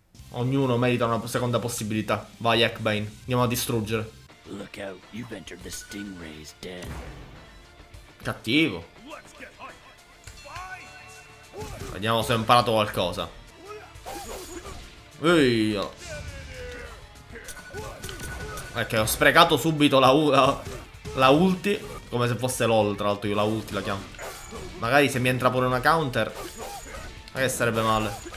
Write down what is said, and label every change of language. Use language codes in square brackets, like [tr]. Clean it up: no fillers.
[it] Ognuno merita una seconda possibilità. Vai, Eggbane. Andiamo a distruggere. [en] Look out, you've entered the Stingray's den. [it] Cattivo. [en] Let's get fight. [it] Vediamo se ho imparato qualcosa. Io. Ok, ho sprecato subito la ulti. Come se fosse LOL, tra l'altro io la ulti la chiamo. Magari se mi entra pure una counter. Ma che sarebbe male.